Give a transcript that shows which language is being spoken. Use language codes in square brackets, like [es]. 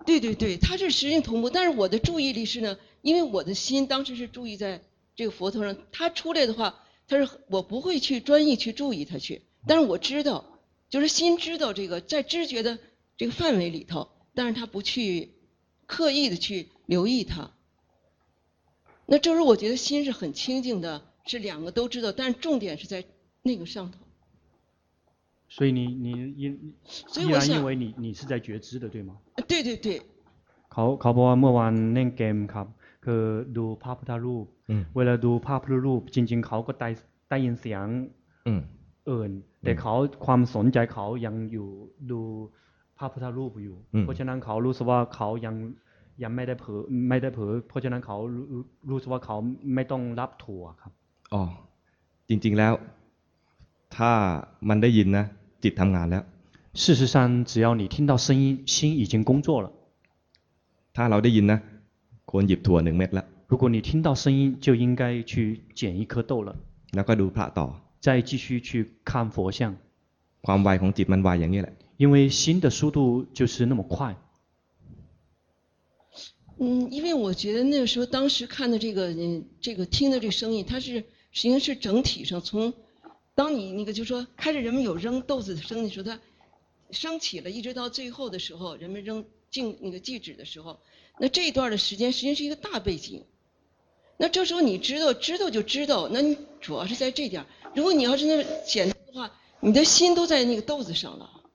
[zh] 对对对，他是实际同步，但是我的注意力是呢，因为我的心当时是注意在这个佛陀上，他出来的话，他是我不会去专意去注意他去，但是我知道，就是心知道这个在知觉的这个范围里头，但是他不去刻意的去留意他。那这时候我觉得心是很清静的，是两个都知道，但是重点是在那个上头。所以你依然认为你是在觉知的，对吗？对对对。 [th] เขาบอกว่าเมื่อวานเล่นเกมครับคือดูภาพพุทธรูปเวลาดูภาพพุทธรูปจริงๆเขาก็ได้ยินเสียงเอิญแต่เขาความสนใจเขายังอยู่ดูภาพพุทธรูปอยู่เพราะฉะนั้นเขารู้สึกว่าเขายังไม่ได้เผลอเพราะฉะนั้นเขารู้สึกว่าเขาไม่ต้องรับถั่วครับ อ๋อจริงๆแล้วถ้ามันได้ยินนะจิตทำงานแล้ว [zh] 事实上只要你听到声音心已经工作了 [th] ถ้าเราได้ยินนะควรหยิบถั่วหนึ่งเม็ดแล้ว [zh] 如果你听到声音就应该去捡一颗豆了 [th] แล้วก็ดูพระต่อ [zh] 再继续去看佛像 [th] ความไวของจิตมันไวอย่างนี้แหละ [zh] 因为心的速度就是那么快因为我觉得那个时候当时看的这个听的这个声音它是实际上是整体上从当你那个就说开始人们有扔豆子的声音的时候它升起了一直到最后的时候人们扔静那个祭纸的时候那这一段的时间实际上是一个大背景那这时候你知道就知道那你主要是在这点如果你要是那简单的话你的心都在那个豆子上了